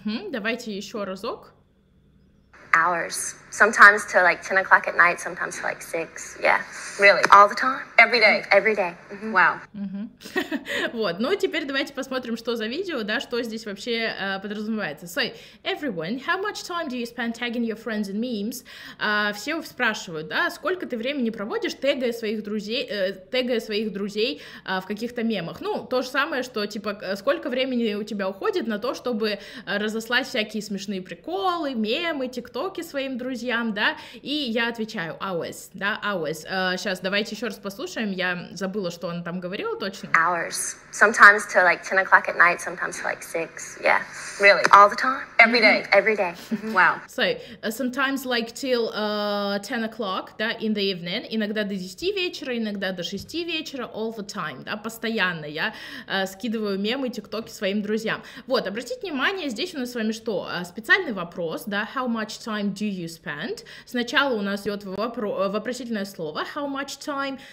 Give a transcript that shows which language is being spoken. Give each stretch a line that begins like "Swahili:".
Russian: Давайте еще разок.
English: Hours. Sometimes to like 10 o'clock at night, sometimes to like 6. Yeah. Really? All the time? Every day. Every day. Wow.
Russian: Вот, ну теперь давайте посмотрим, что за видео, да, что здесь вообще подразумевается.
English: So, everyone, how much time do you spend tagging your friends in memes?
Russian: Все спрашивают, да, сколько ты времени проводишь, тегая своих друзей в каких-то мемах. Ну, то же самое, что, типа, сколько времени у тебя уходит на то, чтобы разослать всякие смешные приколы, мемы, тиктоки своим друзьям, да, и я отвечаю, hours, да, hours. Сейчас, давайте еще раз послушаем, я забыла, что она там говорила точно.
English: Hours. Sometimes to like 10 o'clock at night, sometimes to like 6. Yeah. Really? All the time? Every day. Every day. Wow. So, sometimes like till 10 o'clock, да, in the evening.
Russian: Иногда до 10 вечера, иногда до 6 вечера.
English: All the time,
Russian: да, постоянно. Я скидываю мемы, тиктоки своим друзьям. Вот, обратите внимание, здесь у нас с вами что? Специальный вопрос, да,
English: how much time do you spend?
Russian: Сначала у нас идет вопросительное слово,
English: how much time?